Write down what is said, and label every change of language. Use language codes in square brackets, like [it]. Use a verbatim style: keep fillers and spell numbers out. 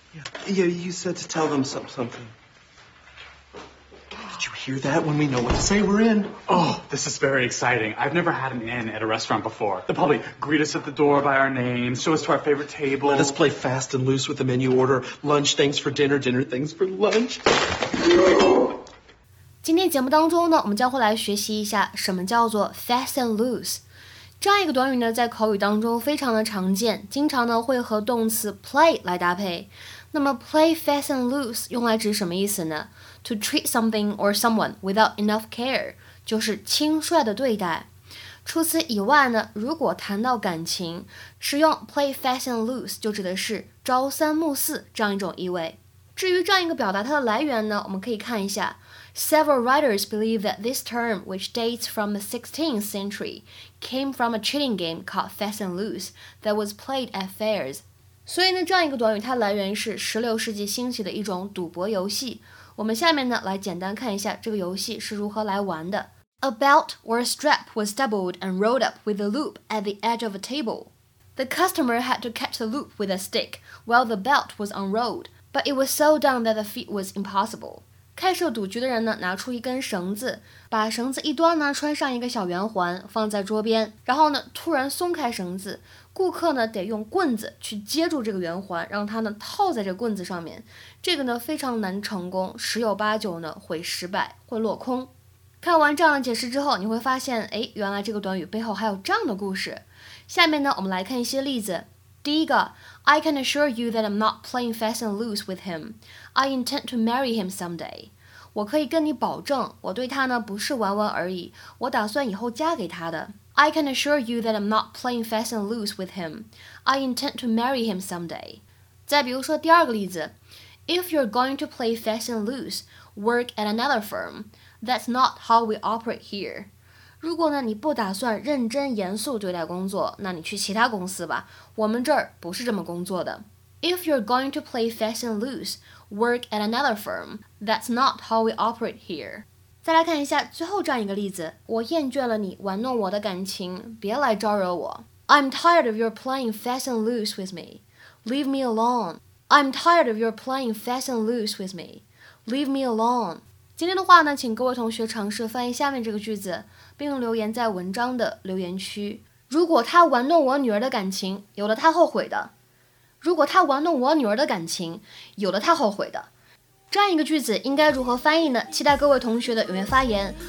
[en] Yeah, yeah you said to tell them some, something. Did you hear that? When we know what to say, we're in. Oh, this is very exciting. I've never had an in at a restaurant before. They'll probably greet us at the door by our names, show us to our favorite table. Let us play fast and loose with the menu order. Lunch, thanks for dinner. Dinner, thanks for lunch. [zh] 今天节目当中呢，我们将会来学习一下什么叫做 [en] fast and loose。 [zh] 这样一个短语呢，在口语当中非常的常见，经常呢会和动词 play 来搭配。那么 [en] play fast and loose [zh] 用来指什么意思呢？ [en] To treat something or someone without enough care [zh] 就是轻率的对待。除此以外呢，如果谈到感情，使用 [en] play fast and loose [zh] 就指的是朝三暮四这样一种意味。至于这样一个表达它的来源呢，我们可以看一下。 [en] Several writers believe that this term, which dates from the sixteenth century, came from a cheating game called fast and loose that was played at fairs. [zh] 所以呢，这样一个短语它来源是十六世纪兴起的一种赌博游戏。我们下面呢来简单看一下这个游戏是如何来玩的。 [en] A belt or a strap was doubled and rolled up with a loop at the edge of a table. The customer had to catch the loop with a stick while the belt was unrolled, but it was so done that the feat was impossible. [zh] 开设赌局的人呢拿出一根绳子，把绳子一端呢穿上一个小圆环放在桌边，然后呢突然松开绳子，顾客呢得用棍子去接住这个圆环，让它呢套在这棍子上面，这个呢非常难成功，十有八九呢会失败，会落空。看完这样的解释之后，你会发现诶，原来这个短语背后还有这样的故事。下面呢我们来看一些例子。第一个 [en] I can assure you that I'm not playing fast and loose with him. I intend to marry him someday. [zh] 我可以跟你保证，我对他呢不是玩玩而已，我打算以后嫁给他的。 [en] I can assure you that I'm not playing fast and loose with him. I intend to marry him someday. [zh] 再比如说第二个例子 [en] ，If you're going to play fast and loose, work at another firm. That's not how we operate here. [zh] 如果呢你不打算认真严肃对待工作，那你去其他公司吧，我们这儿不是这么工作的。 [en] If you're going to play fast and loose, work at another firm. That's not how we operate here. [zh] 再来看一下最后这样一个例子，我厌倦了你玩弄我的感情，别来招惹我。 [en] I'm tired of your playing fast and loose with me. Leave me alone. I'm tired of your playing fast and loose with me. Leave me alone. [zh] 今天的话呢，请各位同学尝试翻译下面这个句子，并留言在文章的留言区。如果他玩弄我女儿的感情，有了他后悔的。如果他玩弄我女儿的感情，有了他后悔的。这样一个句子应该如何翻译呢？期待各位同学的踊跃发言。